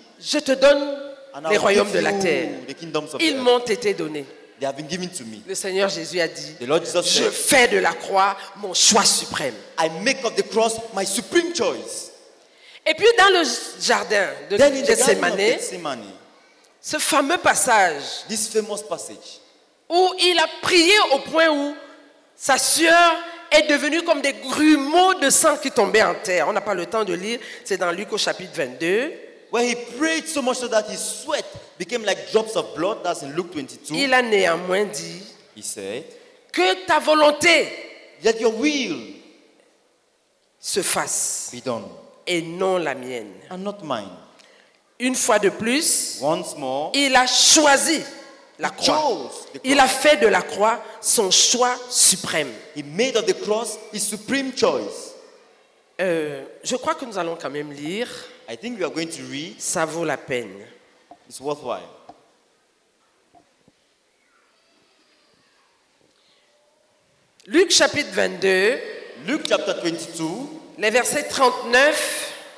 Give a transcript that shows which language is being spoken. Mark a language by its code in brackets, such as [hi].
[fr] Je te donne les royaumes de la terre. [en] The kingdoms of [fr] Ils m'ont été donnés. [en] They have been given to me. [fr] Le Seigneur Jésus a dit, [en] the Lord Jesus [fr] je fais de la croix mon choix suprême. [en] I make of the cross my supreme choice. [fr] Et puis dans le jardin de Gethsemane, ce fameux passage, [en] this famous passage [fr] où il a prié au point où sa sueur est devenue comme des grumeaux de sang qui tombaient en terre. On n'a pas le temps de lire, c'est dans Luc au chapitre 22. [en] Where he prayed so much so that his sweat became like drops of blood, that's in Luke 22. [fr] Il a néanmoins dit, [en] he said, [fr] que ta volonté, [en] let your will [fr] se fasse, [en] be done, [fr] et non la mienne, [en] and not mine. [fr] Une fois de plus, [en] once more, [fr] il a choisi la croix. [en] Chose the cross. [fr] Il a fait de la croix son choix suprême. [en] He made of the cross his supreme choice. [fr] Je crois que nous allons quand même lire. [en] I think we are going to read. [fr] Ça vaut la peine. [en] It's worthwhile. [fr] Luc chapitre 22. [en] Luke chapter 22. [fr] Les versets 39.